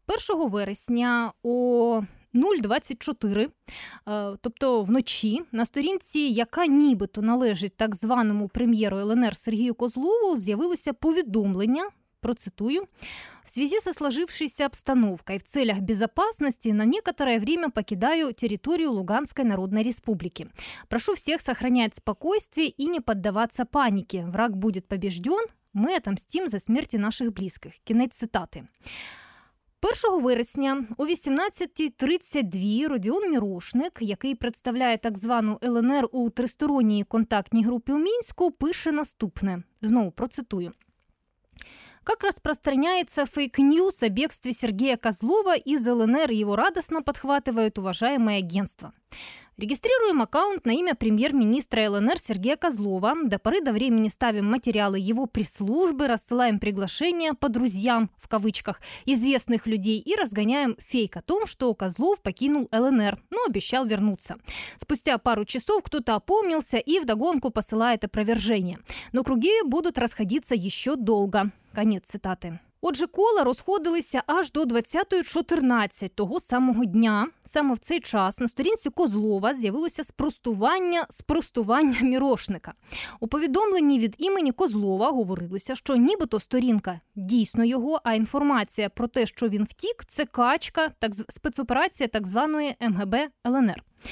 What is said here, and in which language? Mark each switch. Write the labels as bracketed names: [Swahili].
[Ukrainian] 1 вересня о 0:24, тобто вночі, на сторінці, яка нібито належить так званому прем'єру ЛНР Сергію Козлову, з'явилося повідомлення, процитую, [Russian] «В связи со сложившейся обстановкой в целях безопасности на некоторое время покидаю территорию Луганской Народной Республики. Прошу всех сохранять спокойствие и не поддаваться панике. Враг будет побежден, мы отомстим за смерти наших близких». [Ukrainian] Кінець цитати. 1 вересня о 18:32 Родіон Мірошник, який представляє так звану ЛНР у тристоронній контактній групі у Мінську, пише наступне. Знову процитую. [Russian] Как распространяется фейк-ньюс о бегстве Сергея Козлова из ЛНР, его радостно подхватывают уважаемые агентства. Регистрируем аккаунт на имя премьер-министра ЛНР Сергея Козлова. До поры до времени ставим материалы его пресс-службы, рассылаем приглашения по друзьям, в кавычках, известных людей и разгоняем фейк о том, что Козлов покинул ЛНР, но обещал вернуться. Спустя пару часов кто-то опомнился и вдогонку посылает опровержение. Но круги будут расходиться еще долго. Конец цитаты. [Ukrainian] Отже, кола розходилися аж до 20.14 того самого дня. Саме в цей час на сторінці Козлова з'явилося спростування Мірошника. У повідомленні від імені Козлова говорилося, що нібито сторінка дійсно його, а інформація про те, що він втік, це качка, спецоперація так званої МГБ ЛНР.